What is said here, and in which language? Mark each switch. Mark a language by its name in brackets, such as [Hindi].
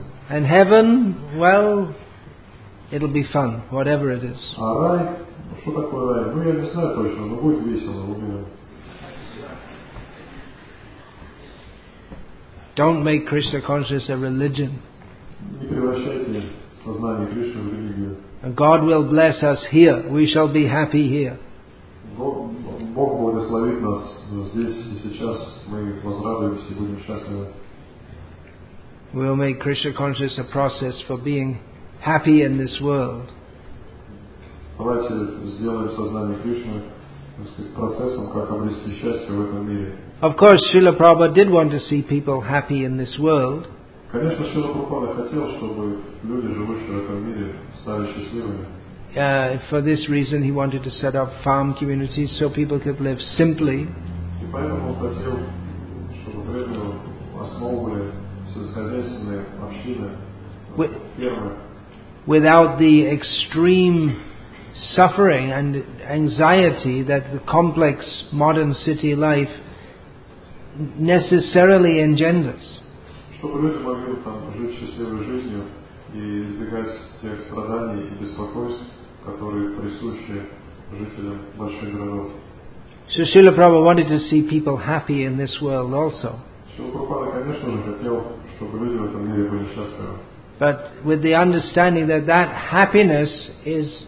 [English] And heaven, well, It'll be fun, whatever it is. [Russian] А рай? Что такое рай? Ну я не знаю точно, но будет весело, уверен. [English] Don't make Krishna conscious a religion. [Russian] Не превращайте сознание Кришны в религию. [English] And God will bless us here. We shall be happy here. [Russian] Бог благословит нас здесь и сейчас. Мы возрадуемся и будем счастливы. [English] We'll make Krishna conscious a process for being happy in this world. [Russian] Давайте сделаем сознание Кришны процессом, как обрести счастье в этом мире. [English] Of course, Srila Prabhupada did want to see people happy in this world. [Russian] Конечно, Шрила Прабхупада хотел, чтобы люди, живущие в этом мире, стали счастливыми. [English] For this reason, he wanted to set up farm communities so people could live simply. [Russian] И поэтому он хотел, чтобы преданные основывали сельскохозяйственные общины, фермы. [English] Without the extreme suffering and anxiety that the complex modern city life necessarily engenders. [Russian] Чтобы люди могли там жить счастливой жизнью и избегать тех страданий и беспокойств, которые присущи жителям больших городов. [English] So Srila Prabhupada wanted to see people happy in this world also. [Russian] Srila Prabhupada, конечно же, хотел, чтобы люди в этом мире были счастливы. [English] But with the understanding that that happiness is...